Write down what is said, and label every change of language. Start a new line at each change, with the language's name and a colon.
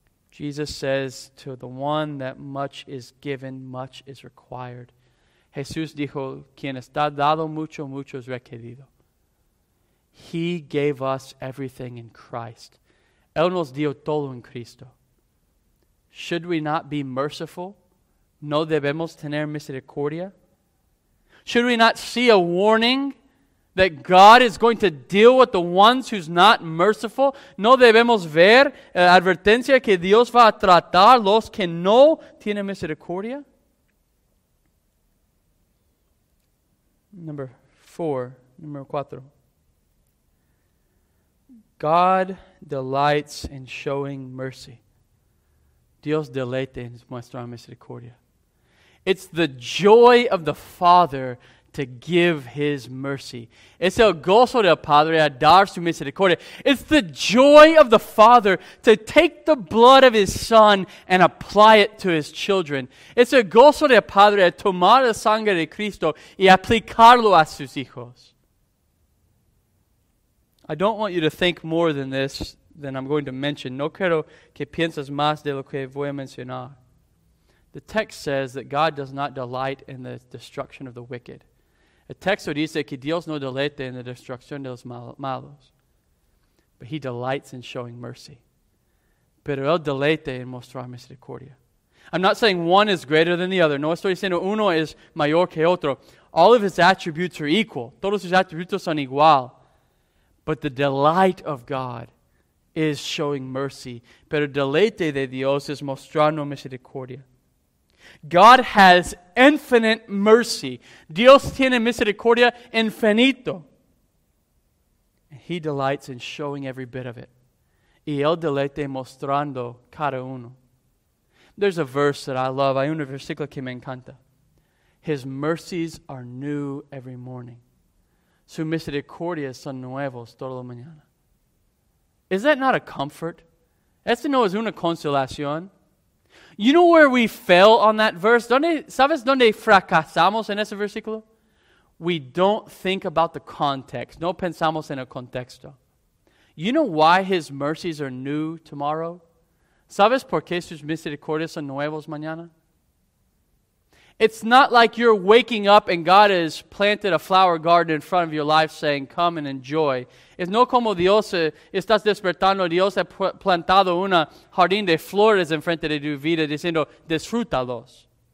English: Jesus says, to the one that much is given, much is required.
Spanish: Jesús dijo, quien está dado mucho, mucho es requerido.
English: He gave us everything in Christ.
Spanish: Él nos dio todo en Cristo.
English: Should we not be merciful?
Spanish: ¿No debemos tener misericordia?
English: Should we not see a warning that God is going to deal with the ones who's not merciful?
Spanish: ¿No debemos ver advertencia que Dios va a tratar los que no tienen misericordia? Número cuatro.
English: God delights in showing mercy.
Spanish: Dios deleita en nuestra misericordia.
English: It's the joy of the Father to give His mercy.
Spanish: Es el gozo del Padre a dar su misericordia.
English: It's the joy of the Father to take the blood of His Son and apply it to His children.
Spanish: Es el gozo del Padre a tomar la sangre de Cristo y aplicarlo a sus hijos.
English: I don't want you to think more than this, than I'm going to mention.
Spanish: No quiero que pienses más de lo que voy a mencionar.
English: The text says that God does not delight in the destruction of the wicked.
Spanish: El texto dice que Dios no deleita en la destrucción de los malos.
English: But He delights in showing mercy.
Spanish: Pero Él deleita en mostrar misericordia.
English: I'm not saying one is greater than the other.
Spanish: No estoy diciendo uno es mayor que otro.
English: All of His attributes are equal.
Spanish: Todos sus atributos son igual.
English: But the delight of God is showing mercy.
Spanish: Pero deleite de Dios es mostrando misericordia.
English: God has infinite mercy.
Spanish: Dios tiene misericordia infinito.
English: He delights in showing every bit of it.
Spanish: Y él deleite mostrando cada uno.
English: There's a verse that I love.
Spanish: Hay un versículo que me encanta.
English: His mercies are new every morning.
Spanish: Su misericordia son nuevos toda la mañana.
English: Is that not a comfort?
Spanish: Este no es una consolación.
English: You know where we fail on that verse?
Spanish: ¿Sabes dónde fracasamos en ese versículo?
English: We don't think about the context.
Spanish: No pensamos en el contexto.
English: You know why His mercies are new tomorrow?
Spanish: ¿Sabes por qué sus misericordias son nuevos mañana?
English: It's not like you're waking up and God has planted a flower garden in front of your life saying, come and enjoy.
Spanish: Es no como Dios estás despertando, Dios ha plantado un jardín de flores en frente de tu vida diciendo, disfrútalos.